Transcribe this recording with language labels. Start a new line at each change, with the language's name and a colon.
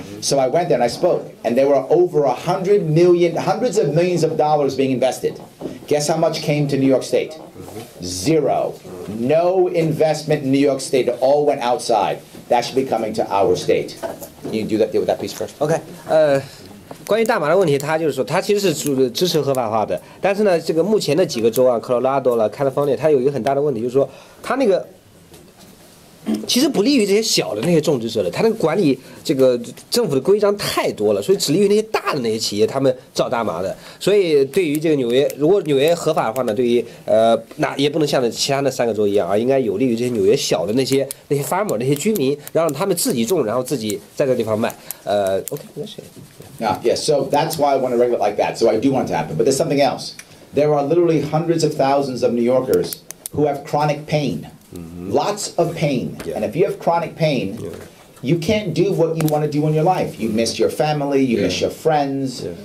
English: So I went there and I spoke, and there were over hundreds of millions of dollars being invested. Guess how much came to New York State? Zero. No investment in New York State. It all went outside. That should be coming to our state. Can you do that, deal with that piece first? Okay.
Chinese: 关于大麻的问题，他就是说，他其实是支持合法化的，但是呢，这个目前的几个州啊，科罗拉多了、California， 它有一个很大的问题，就是说，它那个其实不利于这些小的那些种植者了，它那个管理这个政府的规章太多了，所以只利于那些大的那些企业，他们造大麻的。所以对于这个纽约，如果纽约合法的话呢，对于那也不能像其他那三个州一样啊，应该有利于这些纽约小的那些 farmer 那些居民，让他们自己种，然后自己在这地方卖。 OK， 那是。
English: Yeah, yeah, so that's why I want to regulate it like that. So I do want it to happen. But there's something else. There are literally hundreds of thousands of New Yorkers who have chronic pain. Mm-hmm. Lots of pain. Yeah. And if you have chronic pain, yeah. you can't do what you want to do in your life. You miss your family, you yeah. miss your friends. Yeah.